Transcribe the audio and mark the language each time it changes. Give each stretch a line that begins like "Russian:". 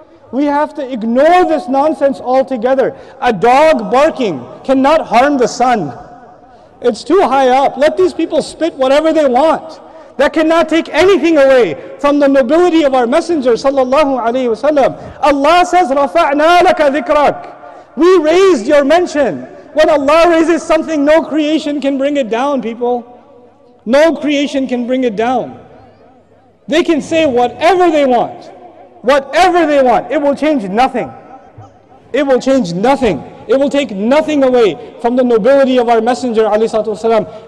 English: We have to ignore this nonsense altogether. A dog barking cannot harm the sun. It's too high up. Let these people spit whatever they want. That cannot take anything away from the nobility of our Messenger, sallallahu alayhi wasallam. Allah says,
Arabic: رَفَعْنَا لَكَ ذِكْرَكَ.
English: We raised your mention. When Allah raises something, no creation can bring it down, people. No creation can bring it down. They can say whatever they want. Whatever they want. It will change nothing. It will change nothing. It will take nothing away from the nobility of our Messenger, alayhi salatu wasalam.